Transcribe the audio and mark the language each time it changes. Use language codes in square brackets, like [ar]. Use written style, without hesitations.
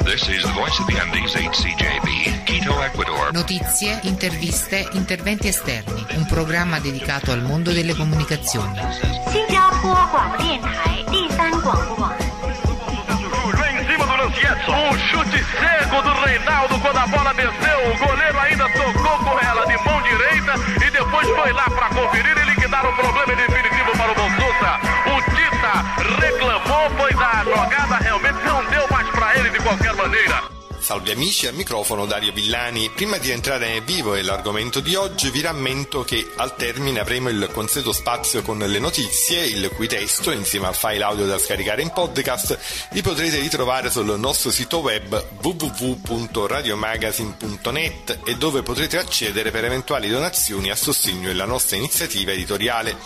[en] This is the voice of the Andes, HCJB, Quito, Ecuador. [it] Notizie, interviste, interventi esterni. Un programma dedicato al mondo delle comunicazioni. [en] Singapore Radio Station, di San Guangguo. [pt] O chute cego do Reinaldo quando a bola desceu, o goleiro ainda tocou com ela de mão direita e depois foi lá para conferir e liquidar o problema definitivo para o Bolsuta. O Tita reclamou, pois a jogada realmente não deu mais para ele de qualquer maneira. [it] Salve amici, al microfono Dario Villani. Prima di entrare nel vivo e l'argomento di oggi, vi rammento che al termine avremo il consueto spazio con le notizie, il cui testo, insieme al file audio da scaricare in podcast, li potrete ritrovare sul nostro sito web www.radiomagazine.net e dove potrete accedere per eventuali donazioni a sostegno della nostra iniziativa editoriale.